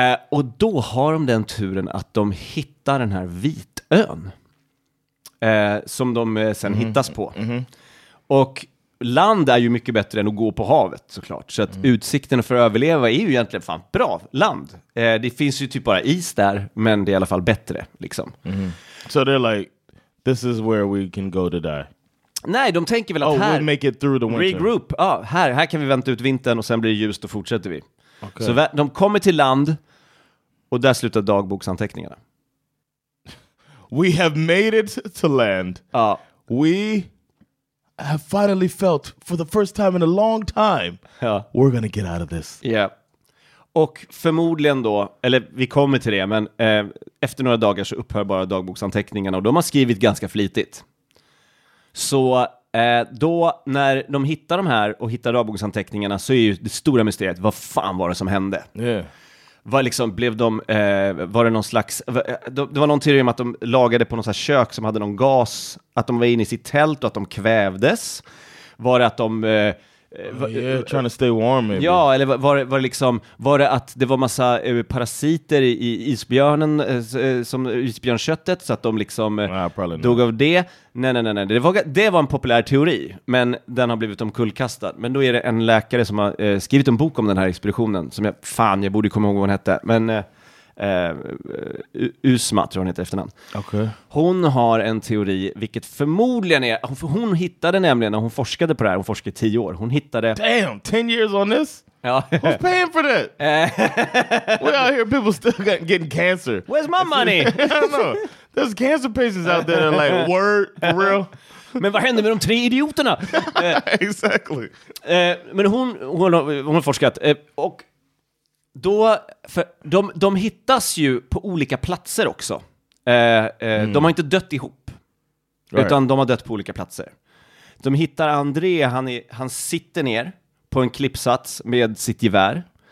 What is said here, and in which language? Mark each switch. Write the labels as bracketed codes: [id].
[sv] Och då har de den turen att de hittar den här vitön som de sen hittas på. Mm-hmm. Och land är ju mycket bättre än att gå på havet såklart. Så att utsikten för att överleva är ju egentligen fan bra land. Det finns ju typ bara is där, men det är i alla fall bättre liksom. Mm-hmm. [en] So they're like, this is where we can go to die. [sv] Nej, de tänker väl att här, [en] we'll make it through the winter. [sv] Regroup, här kan vi vänta ut vintern och sen blir det ljust och fortsätter vi. [en] Okay. [sv] Så de kommer till land och där slutar dagboksanteckningarna. [en] We have made it to land. We have finally felt for the first time in a long time. [sv] Ja. [en] We're gonna get out of this. Yeah. [sv] Och förmodligen då, eller vi kommer till det, men efter några dagar så upphör bara dagboksanteckningarna och de har skrivit ganska flitigt. Så då när de hittar de här och hittar dagboksanteckningarna så är ju det stora mysteriet, vad fan var det som hände? [en] Yeah. [sv] Vad liksom blev de, var det någon slags, det var någon teori om att de lagade på något sånt här kök som hade någon gas, att de var inne i sitt tält och att de kvävdes. Var det att de... [en] trying to stay warm maybe. [sv] Ja, eller var det liksom, var det att det var massa parasiter i isbjörnen, som isbjörnköttet, så att de liksom dog av det? Nej. Det var en populär teori, men den har blivit omkullkastad. Men då är det en läkare som har skrivit en bok om den här expeditionen som jag borde komma ihåg vad hon hette, men Usma tror hon heter efternamn. Okay. Hon har en teori, vilket förmodligen är, hon hittade nämligen när hon forskade på det här, hon forskade 10 år, hon hittade, [en] damn, 10 years on this? [sv] Ja. [en] Who's paying for that? We out here, people still getting cancer. Where's my money? I don't know. There's cancer patients out there that are like, word, for real? [sv] Men vad hände med de 3 idioterna? [en] Exactly. [sv] Men hon har forskat, och då, för de hittas ju på olika platser också. De har inte dött ihop. Right. Utan de har dött på olika platser. De hittar André, han sitter ner på en klippsats med sitt gevär.